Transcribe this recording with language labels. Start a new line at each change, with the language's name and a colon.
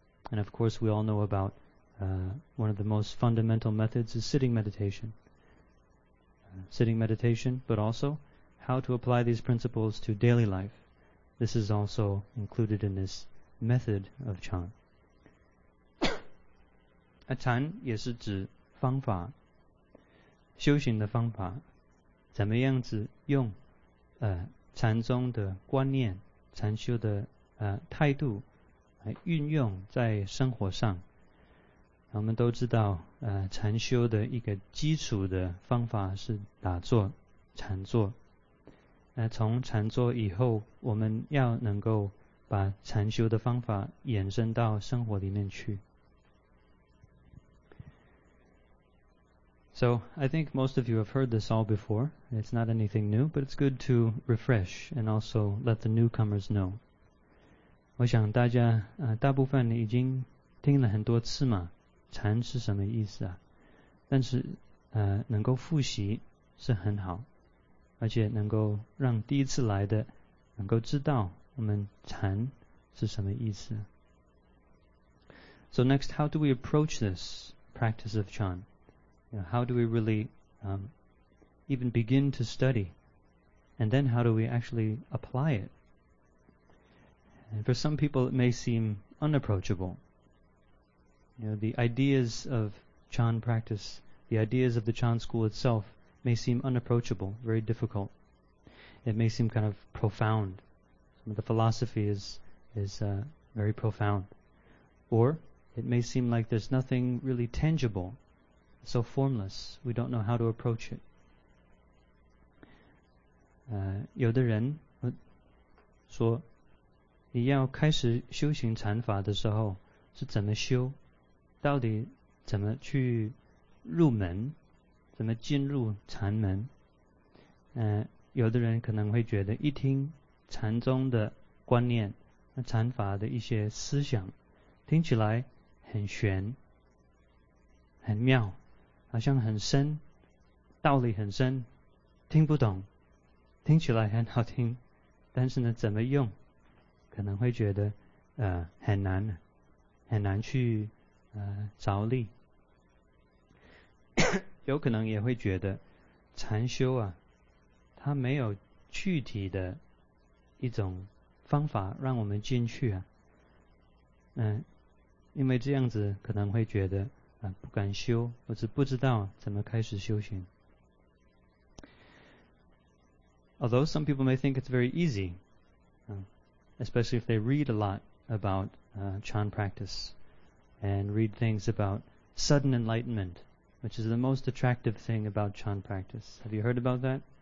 English: And of course, we all know about one of the most fundamental methods is sitting meditation. Sitting meditation, but also how to apply these principles to daily life. This is also included in this method of Chan.
Chinese: Chan 也是指方法, 修行的方法, 怎么样子用, 禅宗的观念, 禅修的, 态度, 运用在生活上。我们都知道, 禅修的一个基础的方法是打坐, 禅坐。从禅坐以后, 我们要能够把禅修的方法延伸到生活里面去。
English: So, I think most of you have heard this all before. It's not anything new, but it's good to refresh and also let the newcomers know.
Chinese: 我想大家, 大部分已经听了很多次嘛, 禅是什么意思啊? 但是, 能够复习是很好, 而且能够让第一次来的, 能够知道我们禅是什么意思。
English: So next, how do we approach this practice of Chan? How do we really even begin to study? And then how do we actually apply it? And for some people, it may seem unapproachable. You know, the ideas of Chan practice, the ideas of the Chan school itself may seem unapproachable, very difficult. It may seem kind of profound. Some of the philosophy is very profound. Or it may seem like there's nothing really tangible, so formless, we don't know how to approach it.
Chinese: 有的人说, 你要开始修行禅法的时候, 是怎么修? 到底怎么去入门?怎么进入禅门? 有的人可能会觉得, 一听禅宗的观念, 禅法的一些思想, 听起来很玄, 很妙, 好像很深, 道理很深, 听不懂, 听起来很好听, 但是呢, 怎么用, 可能会觉得, 很难, 很难去, 着力。有可能也会觉得, 禅修啊, 它没有具体的一种方法, 让我们进去啊, 因为这样子, 可能会觉得, 不敢修, 或是不知道怎么开始修行。
English: Although some people may think it's very easy, especially if they read a lot about Chan practice and read things about sudden enlightenment, which is the most attractive thing about Chan practice. Have you heard about that?